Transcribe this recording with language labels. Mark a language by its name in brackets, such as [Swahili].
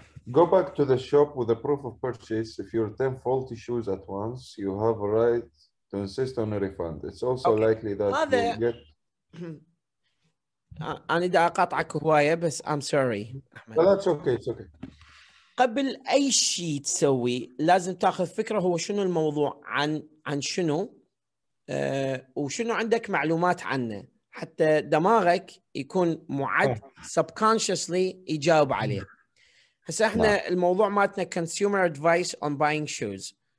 [English] Go back to the shop with a proof of purchase. If you return faulty shoes at once, you have a right to insist on a refund. It's also okay. likely that you get [Arabic] أنا دا أقطعك هواية بس [English] I'm sorry أحمد. Well, that's okay. It's okay. [Arabic] قبل أي شيء تسوي لازم تأخذ فكرة هو شنو الموضوع عن شنو وشنو عندك معلومات عنه حتى دماغك يكون معد subconsciously يجاوب عليه. هسا إحنا الموضوع ماتنا [English] consumer advice on buying shoes.